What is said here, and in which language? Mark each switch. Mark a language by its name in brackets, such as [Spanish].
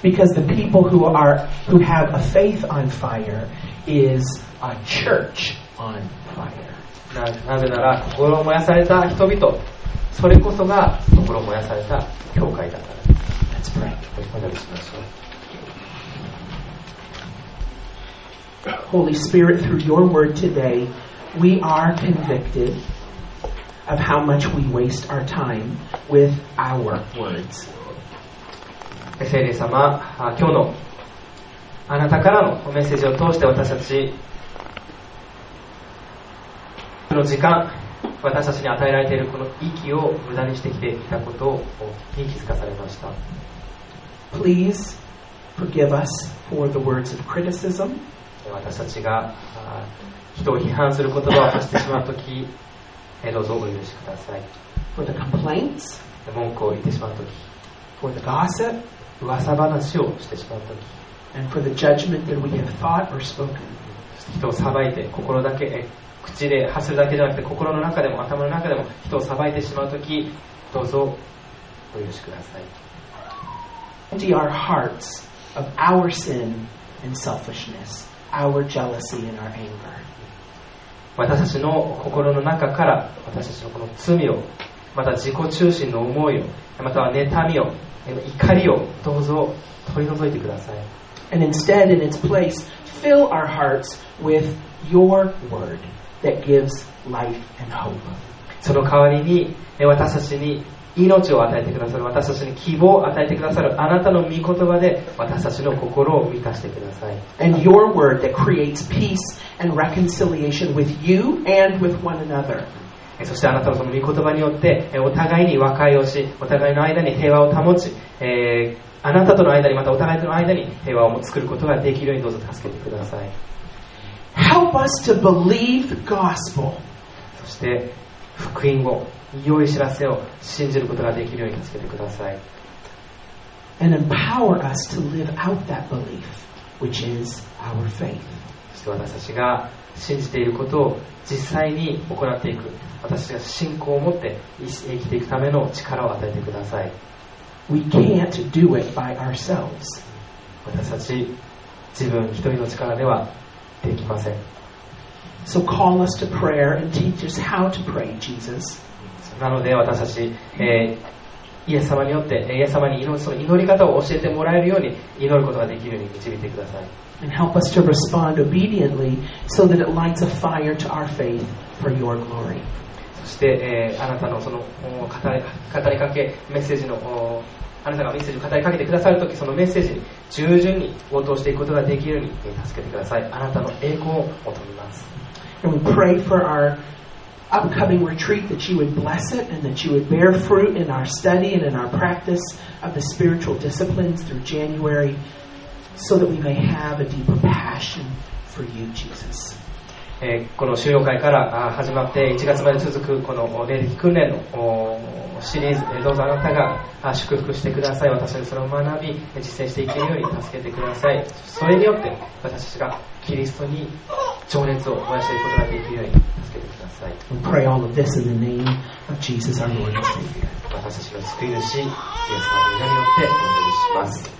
[English] Because the people who are who have a faith on fire is a church on fire. [Japanese] なぜなら心を燃やされた人々、それこそが心を燃やされた教会だから。 [English] Let's pray. [Japanese] お祈りしましょう。 [English] Holy Spirit, through your word today. We are convicted of how much we waste our time with our words. [Japanese] 聖霊様、今日のあなたからのメッセージを通して私たちの時間、私たちに与えられているこの息を無駄にしてきていたことを気づかされました。 [English] Please forgive us for the words of criticism. [Japanese] 私たちが人を批判する言葉を発してしまうとき、どうぞお許しください。 [English] For the complaints, [Japanese] 文句を言ってしまうとき、 [English] for the gossip, [Japanese] 噂話をしてしまうとき、 [English] and for the judgment that we have thought or spoken, [Japanese] 人を裁いて心だけ口で発するだけじゃなくて心の中でも頭の中でも人を裁いてしまうとき、どうぞお許しください。 [English] Empty our hearts of our sin and selfishness, our jealousy and our anger. [Japanese] 私たちの心の中から私たちのこの罪を、また自己中心の思いを、または妬みを、怒りをどうぞ取り除いてください。 [English] And instead, in its place, fill our hearts with your word that gives life and hope. [Japanese] その代わりに私たちに命を与えてくださる、私たちに希望を与えてくださるあなたの御言葉で私たちの心を満たしてください。 [English] And your word that creates peace and reconciliation with you and with one another. [Japanese] そしてあなたのその御言葉によってお互いに和解をし、お互いの間に平和を保ち、あなたとの間にまたお互いとの間に平和を作ることができるようにどうぞ助けてください。 [English] Help us to believe the gospel. [Japanese] そして福音を。良い知らせを信じることができるように助けてください。 [English] And empower us to live out that belief, which is our faith. [Japanese] そして私たちが信じていることを実際に行っていく、私たちが信仰を持って生きていくための力を与えてください。 [English] We can't do it by ourselves. [Japanese] 私たち自分一人の力ではできません。 [English] So call us to prayer and teach us how to pray, Jesus. [Japanese] なので私たち、イエス様によってイエス様に祈る、その祈り方を教えてもらえるように祈ることができるように導いてください。 [English] And help us to respond obediently so that it lights a fire to our faith for your glory. [Japanese] そして、あなたのその語りかけメッセージのあなたがメッセージを語りかけてくださるとき、そのメッセージに従順に応答していくことができるように助けてください。あなたの栄光を求めます。 [English] And we pray for ourUpcoming retreat that you would bless it and that you would bear fruit in our study and in our practice of the spiritual disciplines through January so that we may have a deeper passion for you, Jesus. [Japanese] この修養会から始まって1月まで続くこの霊的訓練のシリーズ、どうぞあなたが祝福してください。私たちそれを学び実践していけるように助けてください。それによって私たちがキリストに情熱を燃やしていくことができるように助けてください。 [English] We pray all of this in the name of Jesus our Lord and Savior. [Japanese] 私たちの救い主イエス様の名によってお祈りします。